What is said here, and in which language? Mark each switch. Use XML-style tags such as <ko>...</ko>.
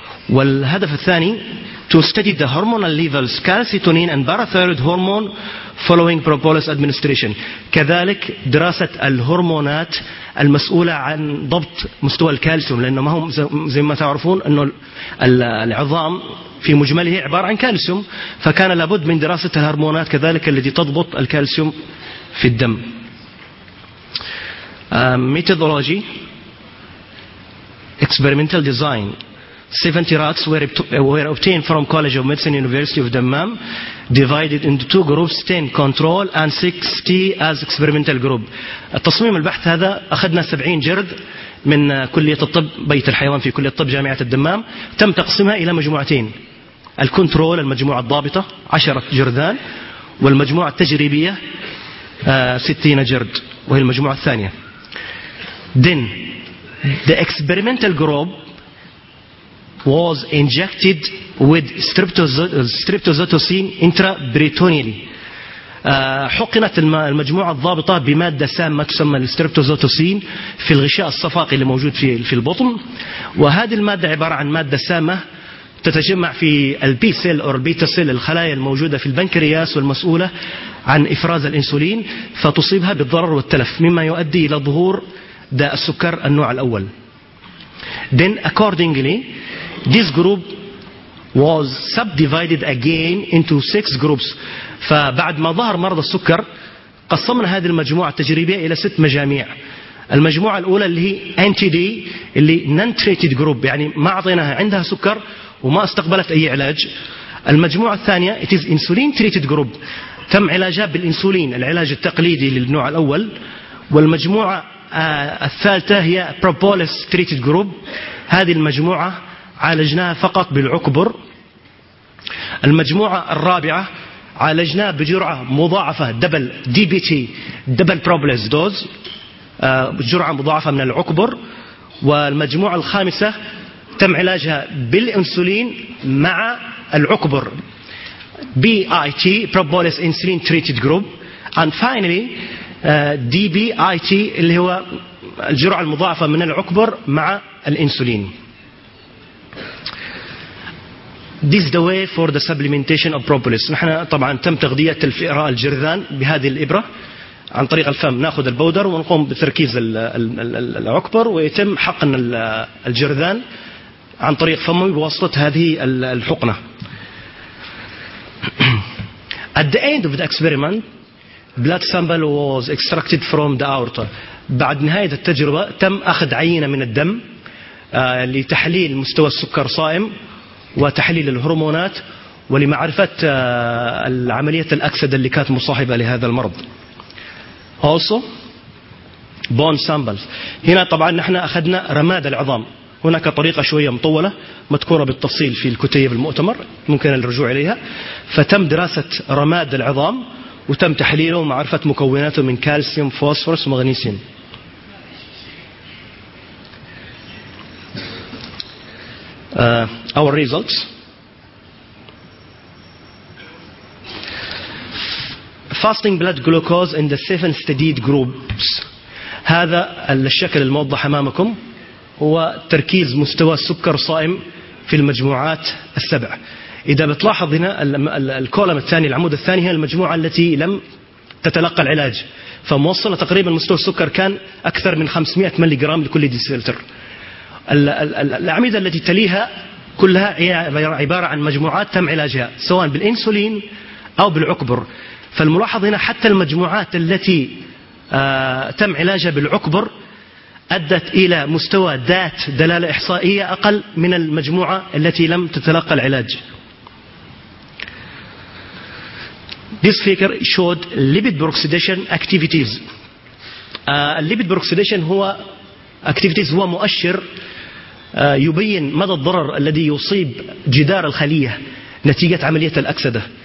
<ar>والهدف الثاني</ar> <en>to study the hormonal levels calcitonin and parathyroid hormone following propolis administration،</en> <ar>كذلك دراسة الهرمونات المسؤولة عن ضبط مستوى الكالسيوم، لأنه ما هم زي ما تعرفون أنه العظام في مجمله عبارة عن كالسيوم، فكان لابد من دراسة الهرمونات كذلك التي تضبط الكالسيوم في الدم.</ar> <en>Methodology, experimental design. 70 rats were obtained from College of Medicine, University of Dammam, divided into two groups, 10 control and 60 as experimental group.</en> <ar>التصميم البحث هذا أخذنا 70 جرد من كلية الطب بيت الحيوان في كلية الطب جامعة الدمام، تم تقسيمها إلى مجموعتين: الكنترول المجموعة الضابطة 10 جرذان، والمجموعة التجريبية 60 جرد وهي المجموعة الثانية.</ar> <en>Then the experimental group was injected with streptozotocin intraperitoneally.</en> <ar>حقنت المجموعة الضابطة بمادة سامة تسمى الستريبتوزوتوسين في الغشاء الصفائي اللي موجود في البطن، وهذه المادة عبارة عن مادة سامة تتجمع في البي سيل أو البيتا سيل، الخلايا الموجودة في البنكرياس والمسؤولة عن إفراز الإنسولين، فتصيبها بالضرر والتلف مما يؤدي إلى ظهور داء السكر النوع الأول.</ar> <en>Then accordingly this group was subdivided again into six groups.</en> <ar>فبعد ما ظهر مرض السكر قسمنا هذه المجموعة التجريبية إلى ست مجاميع. المجموعة الأولى اللي هي NTD اللي</ar> <en>non-treated group،</en> <ar>يعني ما أعطيناها عندها سكر وما استقبلت أي علاج. المجموعة الثانية</ar> <en>it is insulin treated group،</en> <ar>تم علاجها بالإنسولين العلاج التقليدي للنوع الأول. والمجموعة الثالثة هي</ar> <en>propolis treated group،</en> <ar>هذه المجموعة عالجناها فقط بالعكبر. المجموعة الرابعة عالجناها بجرعة مضاعفة</ar> <en>double D B T double بروبلس dose,</en> <ar>جرعة مضاعفة من العكبر. والمجموعة الخامسة تم علاجها بالإنسولين مع العكبر</ar> <en>B E T بروبلس insulin treated group. And finally</en> <ar>دي بي اي تي اللي هو الجرعة المضاعفة من العكبر مع الإنسولين.</ar> <en>This is the way for the supplementation of propolis.</en> <ar>نحن طبعا تم تغذية الفئران الجرذان بهذه الإبرة عن طريق الفم نأخذ البودر ونقوم بتركيز العكبر ويتم حقن الجرذان عن طريق فمي بواسطة هذه الحقنة.</ar> <en>At the end of the experiment, blood sample was extracted from the aorta.</en> <ar>بعد نهاية التجربة تم أخذ عينة من الدم لتحليل مستوى السكر صائم وتحليل الهرمونات ولمعرفة العملية الأكسدة اللي كانت مصاحبة لهذا المرض.</ar> <en>Also, bone samples.</en> <ar>هنا طبعا نحن أخذنا رماد العظام. هناك طريقة شوية مطولة مذكورة بالتفصيل في الكتيب المؤتمر ممكن الرجوع إليها. فتم دراسة رماد العظام وتم تحليله ومعرفة مكوناته من كالسيوم فوسفورس ومغنيسيوم.</ar> <en>Our results. Fasting blood glucose in the seven studied groups.</en> <ar>هذا الشكل الموضح أمامكم هو تركيز مستوى السكر صائم في المجموعات السبع. إذا بتلاحظ هنا الكولم الثاني العمود الثاني هي المجموعة التي لم تتلقى العلاج. فموصلة تقريبا مستوى السكر كان أكثر من 500 ملي جرام لكل ديسيلتر. الأعمدة التي تليها كلها عبارة عن مجموعات تم علاجها سواء بالإنسولين أو بالعكبر. فالملاحظ هنا حتى المجموعات التي تم علاجها بالعكبر أدت إلى مستوى ذات دلالة إحصائية أقل من المجموعة التي لم تتلقى العلاج.</ar> <en>This figure showed lipid peroxidation activities.</en> <ar>Lipid peroxidation هو activities هو مؤشر يبين مدى الضرر الذي يصيب جدار الخلية نتيجة عملية الأكسدة.</ar>